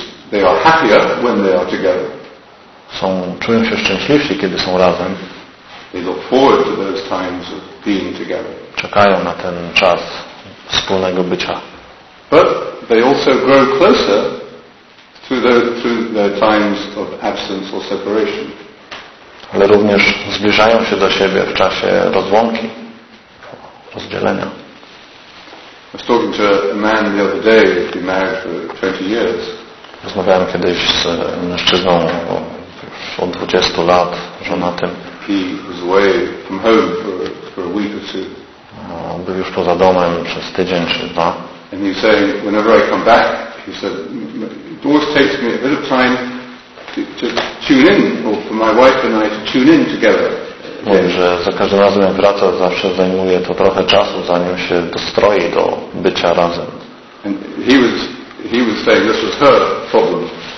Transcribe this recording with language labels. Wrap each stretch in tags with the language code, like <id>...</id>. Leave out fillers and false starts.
<en>They are happier when they are together.</en> <pl>Czują się szczęśliwsi, kiedy są razem.</pl> <en>They look forward to those times of being together.</en> <pl>Czekają na ten czas wspólnego bycia.</pl> <en>But they also grow closer to their times of absence or separation.</en> <pl>Ale również zbliżają się do siebie w czasie rozłąki, rozdzielenia.</pl> <en>I was talking to a man the other day, who'd been married for 20 years.</en> <pl>Rozmawiałem kiedyś z mężczyzną już od 20 lat, żonatym.</pl> <en>He was away from home for a week or two.</en> <pl>Był już poza domem przez tydzień czy dwa.</pl> <en>And he said, whenever I come back, he said, it always takes me a bit of time to tune in, or for my wife and I to tune in together.</en> <pl>Mówi, że za każdym razem jak wraca, zawsze zajmuje to trochę czasu, zanim się dostroi do bycia razem.</pl> <en>And he was saying this was her problem.</en>